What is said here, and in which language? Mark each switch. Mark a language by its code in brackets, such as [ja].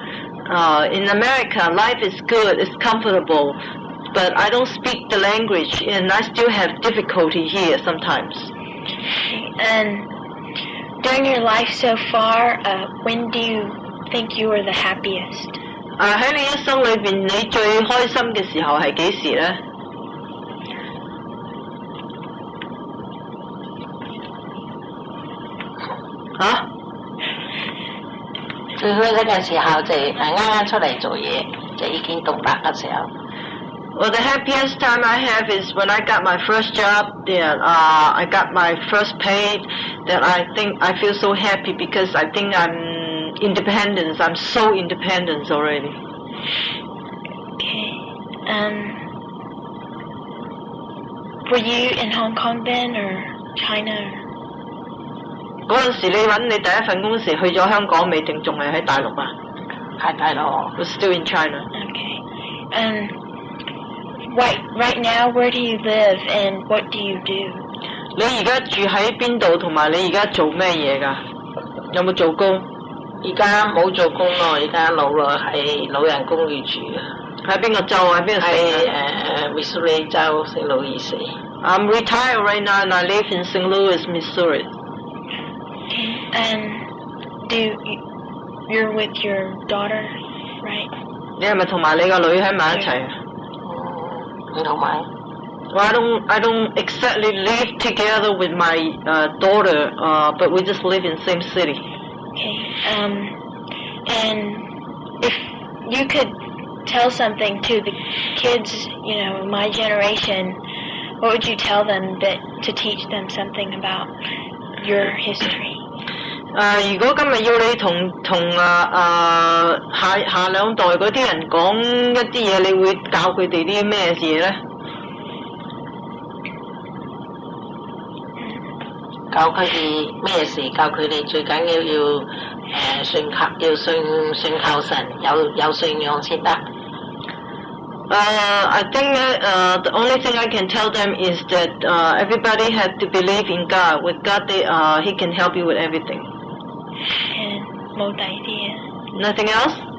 [en] In America, life is good, it's comfortable, but I don't speak the language, and I still have difficulty here sometimes. And during your life so far, when do you think you are the happiest? [yue] 在你一生里面，你最开心的时候是几时呢？啊！最开心嘅时候就系啱啱出嚟做嘢，就已经读大嘅时候。 [en] Well, the happiest time I have is when I got my first job. Then, I got my first pay. Then I feel so happy because I think I'm independent. I'm so independent already. Okay. Were you in Hong Kong then, or China? [yue] 嗰陣時你揾你第一份工時去咗香港未定仲係喺大陸啊？喺大陸。 [en] We're still in China. Okay. Right now, where do you live and what do you do? [yue] 你而家住喺邊度同埋你而家做咩嘢㗎？有冇做工？而家冇做工咯，而家老咯喺老人公寓住。喺邊個州啊？喺邊個城？喺Missouri 州聖路易斯。 [en] I'm retired right now and I live in St. Louis, Missouri. And you're with your daughter, right? [yue] 你係咪同埋你個女喺埋一齊？你同埋。 [en] Well, I don't exactly live together with my daughter, but we just live in same city. Okay. And if you could tell something to the kids, you know, my generation, what would you tell them that to teach them something about your history? [yue] 如果今日要你同下兩代嗰啲人講一啲嘢，你會教佢哋啲咩嘢咧？教佢哋咩事？教佢哋最緊要要信靠，要信靠神，有信仰先得。 [en] I think the only thing I can tell them is that everybody have to believe in God. With God, He can help you with everything. And [yue] 冇大啲啊。 [en] Nothing else?